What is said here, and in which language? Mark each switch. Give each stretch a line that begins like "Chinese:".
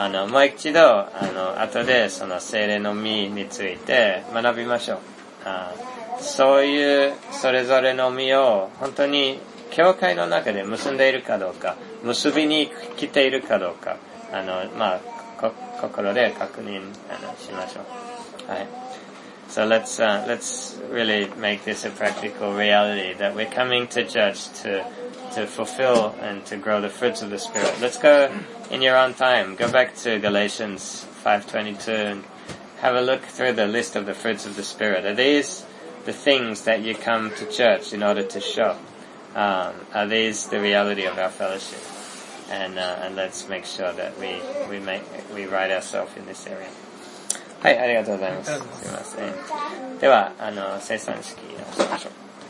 Japanese: もう一度後でその聖霊の実について学びましょう。そういうそれぞれの実を本当に教会の中で結んでいるかどうか、結びに来ているかどうか、まあ、心で確認しましょう。はい。
English: So let's really make this a practical reality that we're coming to church to fulfill and to grow the fruits of the Spirit. Let's go in your own time. Go back to Galatians 5:22 and have a look through the list of the fruits of the Spirit. Are these the things that you come to church in order to show? Are these the reality of our fellowship? And let's make sure that we write ourselves in this area.
Japanese: はい、ありがとうございます。すいません。では、生産式をしましょう。